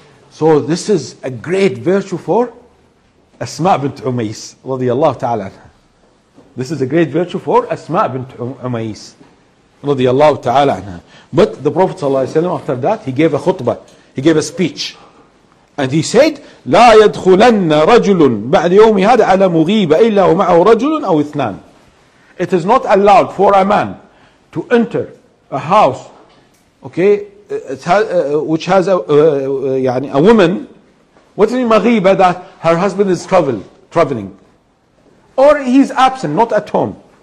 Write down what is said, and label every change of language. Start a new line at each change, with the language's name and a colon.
English: So this is a great virtue for Asma bint Umays radiyallahu ta'ala anha. This is a great virtue for Asma bint Umays radiyallahu ta'ala anha. But the Prophet sallallahu alayhi wa sallam, after that, he gave a khutbah. He gave a speech. And he said,
Arabic: لا يدخلن رجل بعد يوم هذا على مغيبة إلا ومعه رجل أو اثنان.
English: It is not allowed for a man to enter a house, okay, which has a woman. What is مغيبة? That her husband is traveling. Or he's absent, not at home.